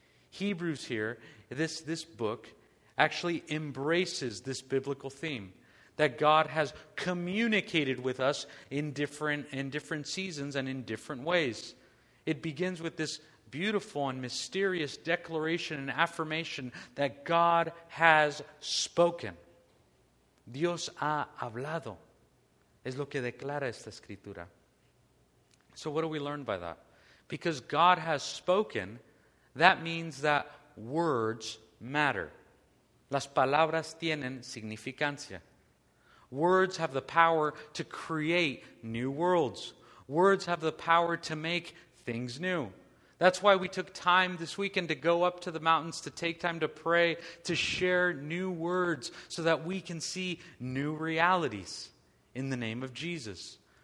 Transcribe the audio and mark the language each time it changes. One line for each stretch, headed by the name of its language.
English: Hebrews here, this book, actually embraces this biblical theme that God has communicated with us in different seasons and in different ways. It begins with this beautiful and mysterious declaration and affirmation that God has spoken.
Spanish: Dios ha hablado, es lo que declara esta escritura.
English: So what do we learn by that? Because God has spoken, that means that words matter. Las palabras tienen significancia. Words have the power to create new worlds. Words have the power to make things new. That's why we took time this weekend to go up to the mountains, to take time to pray, to share new words so that we can see new realities in the name of Jesus.